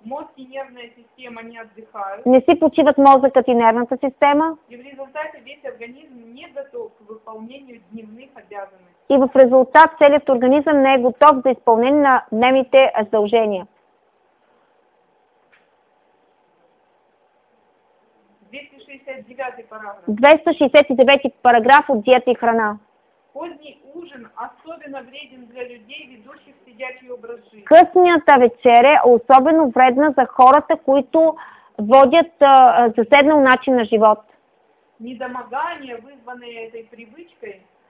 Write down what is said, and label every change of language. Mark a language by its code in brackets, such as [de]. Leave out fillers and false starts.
[ru] Мозг и нервная система не отдыхают. [bg] Не си почиват мозъкът и нервната система. [ru] И в результате весь организм не готов к выполнению дневных обязанностей. [bg] И в резултат целият организъм не е готов за изпълнение на дневните задължения. [ru] 269 параграф. [bg] 269 параграф от диета и храна. [ru] Поздний ужин особено вреден для людей, ведущих сидячий образ жизни. [bg] Късната вечер е особено вредна за хората, които водят заседнал начин на живот. [ru] Недомогание, вызванное этой привычкой.